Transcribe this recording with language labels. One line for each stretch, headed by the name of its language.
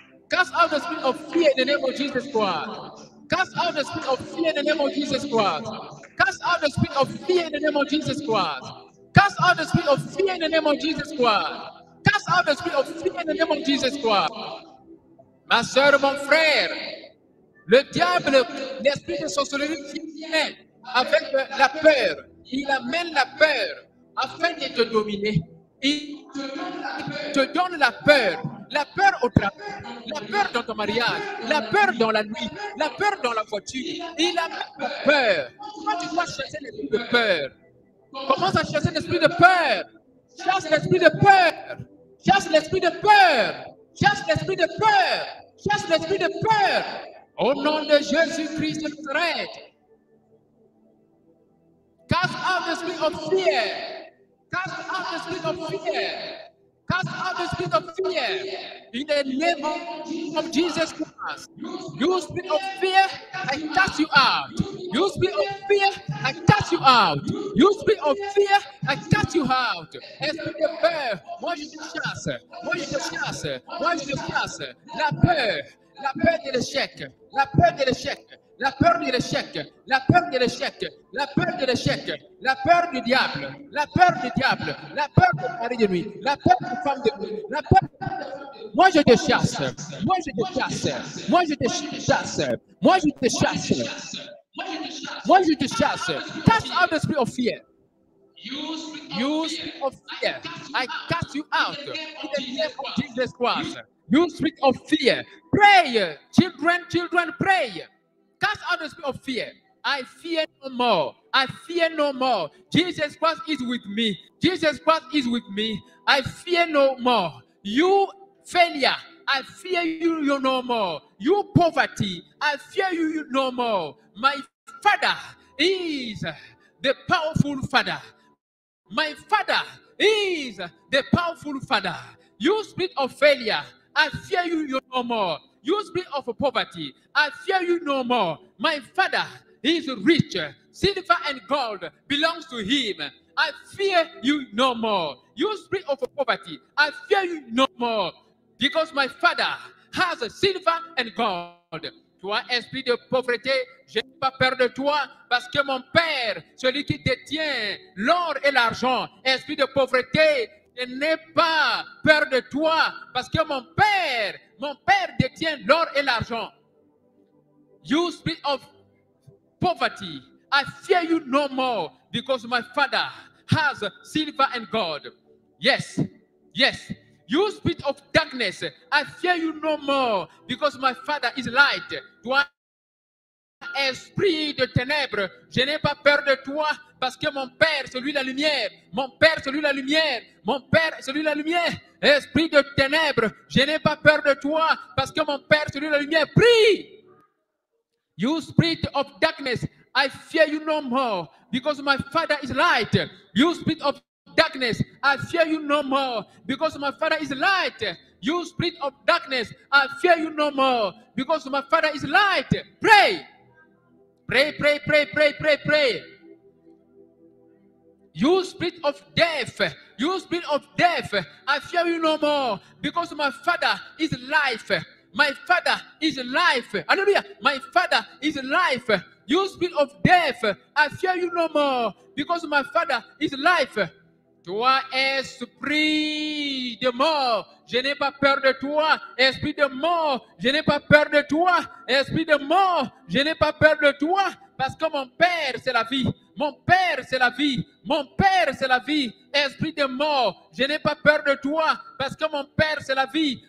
English: Cast out the spirit of fear in the name of Jesus Christ. Cast out the spirit of fear in the name of Jesus Christ. Cast out the spirit of fear in the name of Jesus Christ. Cast out the spirit of fear in the name of Jesus Christ. Cast out the spirit of fear in the name of Jesus Christ.
French: Ma soeur, mon frère, le diable, l'esprit de sorcellerie vient avec la peur. Il amène la peur afin de te dominer. Il te donne la peur. La peur au travail, la peur dans ton mariage, la peur dans la nuit, la peur dans la voiture. Il a peur. Toi, tu dois chasser l'esprit de peur. Commence à chasser l'esprit de peur. Chasse l'esprit de peur. Chasse l'esprit de peur. Chasse l'esprit de peur. Chasse l'esprit de peur. Au nom de Jésus-Christ, traite.
English: Cast out the spirit of fear. Cast out the spirit of fear. Cast out the spirit of fear in the name of Jesus Christ. You spirit of fear, I cast you out. You spirit of fear, I cast you out. You spirit of fear, I cast you out. And spirit of fear,
French: moi je te chasse, moi je te chasse, moi je te chasse. La peur de l'échec, la peur de l'échec, la peur de l'échec, la peur de l'échec, la peur de l'échec, la peur du diable, la peur du diable, la peur de mari de nuit, la peur de femme de nuit, la peur. Moi je te chasse, moi je te chasse, moi je te chasse, moi je te chasse, moi je te chasse.
English: Cast out the spirit of fear. You spirit of fear, I cast you out in the name of Jesus Christ. You spirit of fear, pray, children, children, pray. Cast out the spirit of fear. I fear no more. I fear no more. Jesus Christ is with me. Jesus Christ is with me. I fear no more. You failure, I fear you no more. You poverty, I fear you no more. My Father is the powerful Father. My Father is the powerful Father. You spirit of failure, I fear you no more. You speak of poverty, I fear you no more. My Father is rich. Silver and gold belongs to him. I fear you no more. You speak of poverty, I fear you no more. Because my Father has silver and gold.
French: Toi, esprit de pauvreté, je n'ai pas peur de toi, parce que mon Père, celui qui détient l'or et l'argent, esprit de pauvreté, je n'ai pas peur de toi, parce que mon père détient l'or et l'argent.
English: You speak of poverty. I fear you no more, because my Father has silver and gold. Yes, yes. You speak of darkness. I fear you no more, because my Father is light.
French: Toi, esprit de ténèbres, je n'ai pas peur de toi, parce que mon Père, celui de la lumière, mon Père, celui de la lumière, mon Père, celui de la lumière, esprit de ténèbres, je n'ai pas peur de toi, parce que mon Père, celui de la lumière, prie.
English: You spirit of darkness, I fear you no more, because my Father is light. You spirit of darkness, I fear you no more, because my Father is light. You spirit of darkness, I fear you no more, because my Father is light. Pray. Pray, pray, pray, pray, pray, pray. You spirit of death, you spirit of death, I fear you no more, because my Father is life. My Father is life. Hallelujah. My Father is life. You spirit of death, I fear you no more, because my Father is life.
French: Toi, esprit de mort, je n'ai pas peur de toi. Esprit de mort, je n'ai pas peur de toi. Esprit de mort, je n'ai pas peur de toi. Parce que mon Père, c'est la vie. Mon père, c'est la vie. Mon père, c'est la vie. Esprit de mort, je n'ai pas peur de toi parce que mon père, c'est la vie.